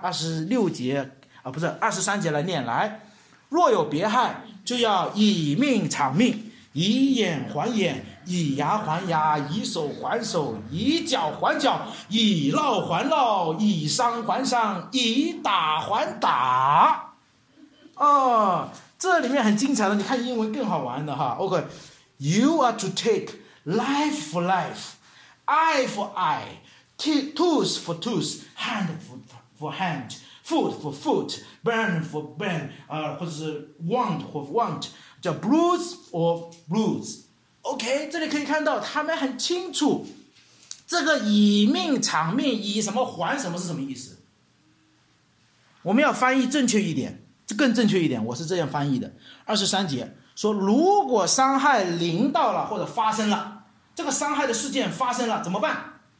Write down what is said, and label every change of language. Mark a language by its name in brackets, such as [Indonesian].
[Chinese] 二十三节来念，来。若有别害，就要以命偿命，以眼还眼，以牙还牙，以手还手，以脚还脚，以烙还烙，以伤还伤，以打还打。哦，这里面很精彩的，你看英文更好玩的哈。 [English] OK， You are to take life for life, eye for eye, tooth for tooth, hand for hand, foot for foot, burn for burn, [Chinese] 或者是 [English] want for want, [Chinese] 叫 [English] bruise for bruise。 [Chinese] OK， 这里可以看到他们很清楚，这个以命偿命，以什么还什么是什么意思？我们要翻译正确一点。更正确一点，我是这样翻译的。二十三节说，如果伤害临到了或者发生了，这个伤害的事件发生了怎么办？